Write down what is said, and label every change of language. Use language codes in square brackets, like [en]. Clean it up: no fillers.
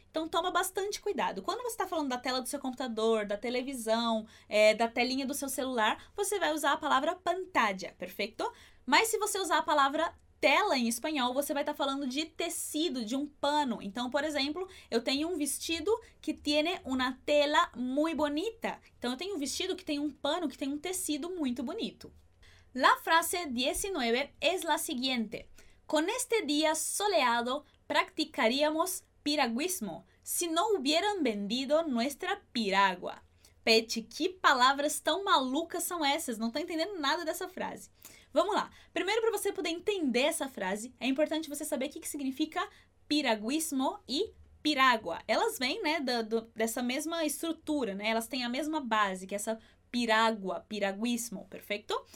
[pt] Então, toma bastante cuidado. Quando você está falando da tela do seu computador, da televisão, da telinha do seu celular, você vai usar a palavra pantalla, perfeito? Mas se você usar a palavra tela em espanhol, você vai estar falando de tecido, de um pano. Então, por exemplo, eu tenho um vestido que [es] tiene una tela muy bonita. [pt] Então, eu tenho um vestido que tem um pano, que tem um tecido muito bonito. [es] La frase 19 es la siguiente. Con este día soleado, practicaríamos piragüismo si no hubieran vendido nuestra piragua. [pt] Pet, que palavras tão malucas são essas? Não estou entendendo nada dessa frase. Vamos lá. Primeiro, para você poder entender essa frase, é importante você saber o que significa piragüismo e piragua. Elas vêm, né, dessa mesma estrutura, né? Elas têm a mesma base, que é essa piragua, piragüismo, perfeito?